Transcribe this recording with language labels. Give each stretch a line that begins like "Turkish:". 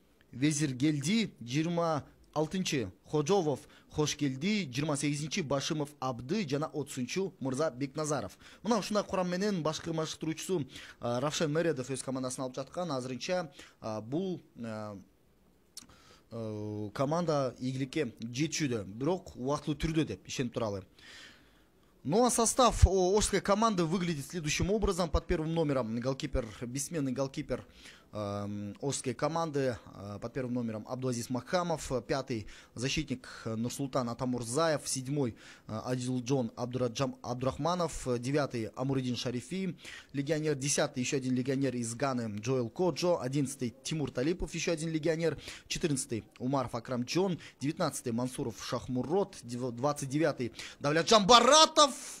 Kyrgyz: Везиргелди, 26-й Ходжовов Хошкелди, 28-й Башимов Абды жана 30-й Мырза Бекназаров. Мына ушундай курам менен башкы машыктыруучусу Равшан Мередов өз командасын алып жаткан. Азырынча бул команда ийгиликке жетишүүдө, бирок убактылуу түрдө деп ишенип туралы.
Russian: Ну а состав Орской команды выглядит следующим образом. Под первым номером голкипер, бессменный голкипер Орской команды, под первым номером Абдуазиз Махамов, 5-й защитник Нурсултан Атамурзаев, 7-й Адилджон Абдурахманов, 9-й Амурдин Шарифи, легионер, 10-й еще один легионер из Ганы Джоэл Коджо, 11-й Тимур Талипов, еще один легионер, 14-й Умар Факрамджон, 19-й Мансуров Шахмурот, 29-й Давлетжан Баратов.